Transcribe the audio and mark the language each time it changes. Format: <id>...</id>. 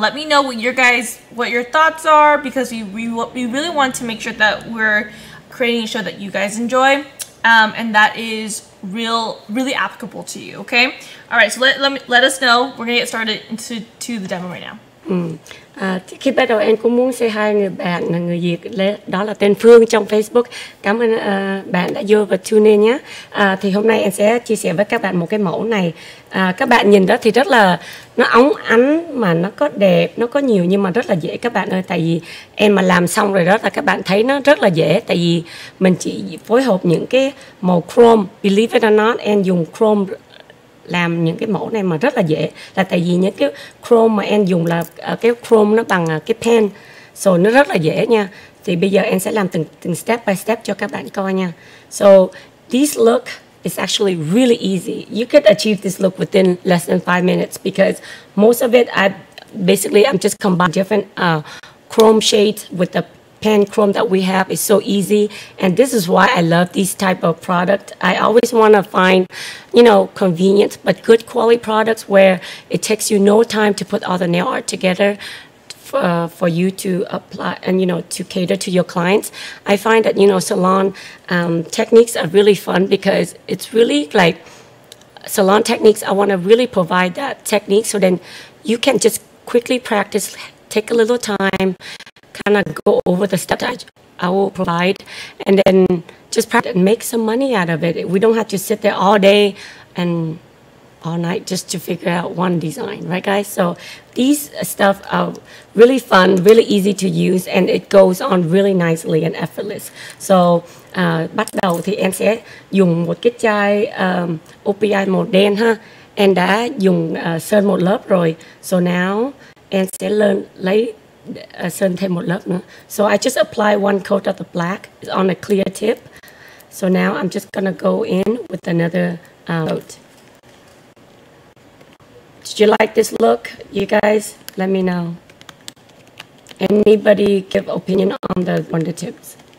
<en>Let me know what your thoughts are because we really want to make sure that we're creating a show that you guys enjoy and that is really applicable to you, okay? All right, so let us know. We're going to get started into the demo right now.</en> <vi>Khi bắt đầu em cũng muốn say hi người bạn là người Việt đó là tên Phương trong Facebook. Cảm ơn bạn đã vô và tune in nhé. Thì hôm nay em sẽ chia sẻ với các bạn một cái mẫu này. Các bạn nhìn đó thì rất là nó óng ánh mà nó có đẹp, nó có nhiều nhưng mà rất là dễ các bạn ơi. Tại vì em mà làm xong rồi đó là các bạn thấy nó rất là dễ. Tại vì mình chỉ phối hợp những cái màu chrome.</vi> <en>Believe it or not,</en> <vi>em dùng chrome làm những cái mẫu này mà rất là dễ là tại vì những cái chrome mà em dùng là cái chrome nó bằng cái pen so nó rất là dễ nha. Thì bây giờ em sẽ làm từng</vi> <en>step by step</en> <vi>cho các bạn coi nha.</vi> <en>So this look is actually really easy. You could achieve this look within less than 5 minutes because most of it I'm just combining different chrome shades with the pen chrome that we have. Is so easy, and this is why I love this type of product. I always want to find, you know, convenient but good quality products where it takes you no time to put all the nail art together for you to apply and, you know, to cater to your clients. I find that, you know, salon techniques are really fun because it's really like salon techniques. I want to really provide that technique so then you can just quickly practice, take a little time, kind of go over the steps I will provide, and then just practice and make some money out of it. We don't have to sit there all day and all night just to figure out one design, right, guys? So these stuff are really fun, really easy to use, and it goes on really nicely and effortless.</en> <vi>So bắt đầu thì em sẽ dùng một cái chai OPI màu đen ha. Em đã dùng sơn một lớp rồi. So now em sẽ lấy sơn thêm một lớp nữa.</vi> <en>So I just apply one coat of the black on a clear tip. So now I'm just gonna go in with another coat. Did you like this look, you guys? Let me know. Anybody give opinion on the wonder tips?</en>